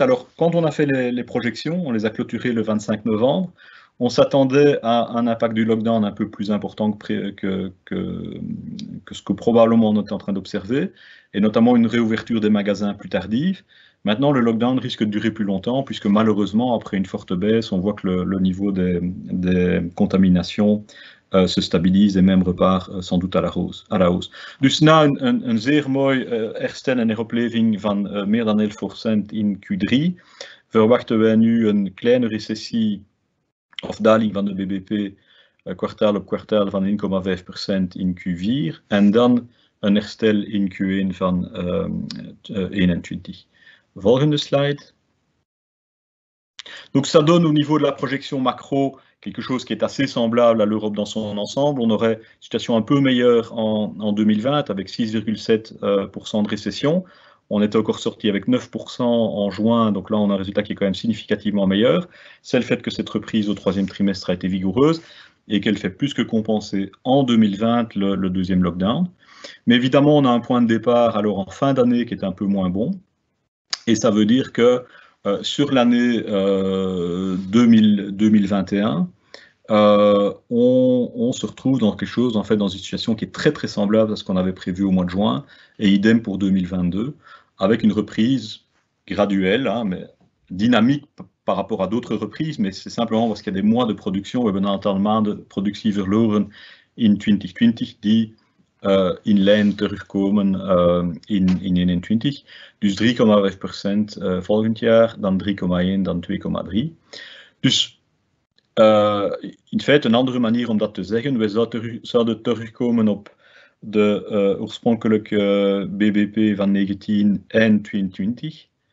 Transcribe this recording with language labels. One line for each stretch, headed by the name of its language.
French: Alors, quand on a fait les projections, on les a clôturées le 25 novembre, on s'attendait à un impact du lockdown un peu plus important que ce que probablement on était en train d'observer, et notamment une réouverture des magasins plus tardive. Maintenant, le lockdown risque de durer plus longtemps, puisque malheureusement, après une forte baisse, on voit que le niveau des contaminations se stabilise et même repart sans doute à la hausse.
Dutch: Dus na een zeer mooi herstel en heropleving van meer dan 11% in Q3, verwachten wij nu een kleine recessie of daling van de BBP kwartaal op kwartaal van 1,5% in Q4 en dan een herstel in Q1 van 2021. Volgende slide.
French: Donc ça donne au niveau de la projection macro quelque chose qui est assez semblable à l'Europe dans son ensemble. On aurait une situation un peu meilleure en 2020 avec 6,7% de récession. On était encore sorti avec 9% en juin, donc là on a un résultat qui est quand même significativement meilleur. C'est le fait que cette reprise au troisième trimestre a été vigoureuse et qu'elle fait plus que compenser en 2020 le deuxième lockdown. Mais évidemment, on a un point de départ alors en fin d'année qui est un peu moins bon. Et ça veut dire que sur l'année 2021, on se retrouve dans quelque chose, en fait, dans une situation qui est très très semblable à ce qu'on avait prévu au mois de juin, et idem pour 2022, avec une reprise graduelle, hein, mais dynamique par rapport à d'autres reprises, mais c'est simplement parce qu'il y a des mois de production,
Dutch: we hebben een aantal maanden productieverloren in 2020, die in lijn terugkomen in 2021. Dus 3,5% volgend jaar, dan 3,1%, dan 2,3%. Dus in feite een andere manier om dat te zeggen, we zouden terugkomen op de oorspronkelijke BBP van 2019 en 2020.